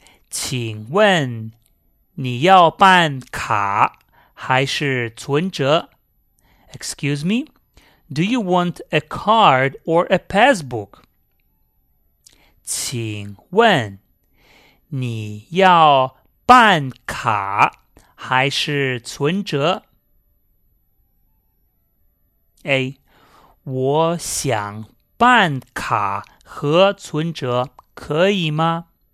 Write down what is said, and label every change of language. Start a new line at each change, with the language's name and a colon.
Chinese: 请问你要办卡还是存折?
English: Excuse me, do you want a card or a passbook?
Chinese: 请问你要办卡还是存折?
English: A.
Chinese: 我想办卡和存折可以吗?